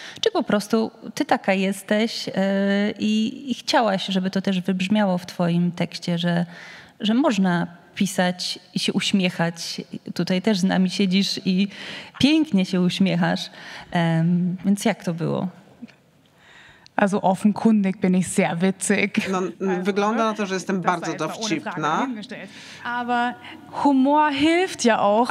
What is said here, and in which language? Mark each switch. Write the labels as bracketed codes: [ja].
[pl] Czy po prostu ty taka jesteś i chciałaś, żeby to też wybrzmiało w twoim tekście, że można pisać i się uśmiechać. Tutaj też z nami siedzisz i pięknie się uśmiechasz. Więc jak to było? [de] Also offenkundig bin ich sehr witzig. [pl] No, wygląda na to, że jestem bardzo dowcipna. [de] Aber Humor hilft ja auch,